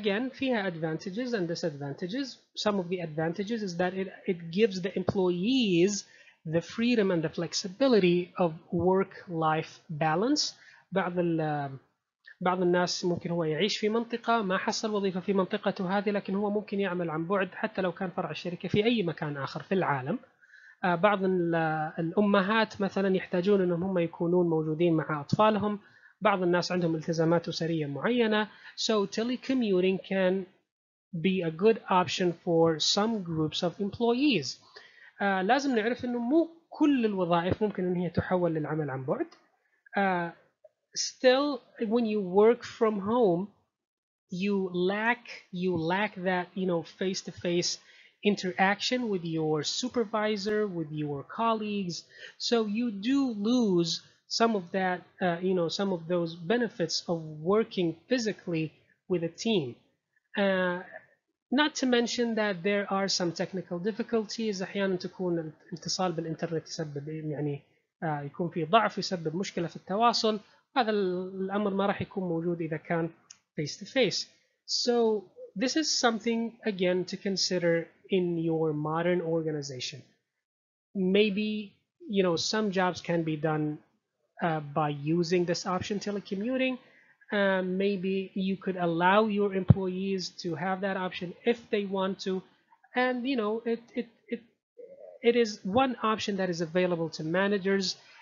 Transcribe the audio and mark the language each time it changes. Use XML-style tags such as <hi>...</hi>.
<ar>فيها</ar> <en>advantages and disadvantages. Some of the advantages is that it gives the employees the freedom and the flexibility of work-life balance.</en> <ar>بعض الناس ممكن هو يعيش في منطقة ما حصل وظيفة في منطقته هذه, لكن هو ممكن يعمل عن بعد حتى لو كان فرع الشركة في أي مكان آخر في العالم. بعض الأمهات مثلا يحتاجون أنهم هم يكونون موجودين مع أطفالهم. بعض الناس عندهم التزامات أسرية معينة.</ar> <en>So telecommuting can be a good option for some groups of employees.</en> <ar>لازم نعرف أنه مو كل الوظائف ممكن أن هي تحول للعمل عن بعد.</ar> <en>Still, when you work from home, you lack that, you know, face-to-face interaction with your supervisor, with your colleagues. So you do lose some of that, you know, some of those benefits of working physically with a team. Not to mention that there are some technical difficulties.</en> <ar>أحيانا تكون الاتصال بالإنترنت يسبب يعني يكون في ضعف يسبب مشكلة في التواصل. هذا الأمر ما راح يكون موجود إذا كان</ar> <en>face to face. So this is something again to consider in your modern organization. Maybe, you know, some jobs can be done by using this option, telecommuting. Maybe you could allow your employees to have that option if they want to, and you know it is one option that is available to managers.</en>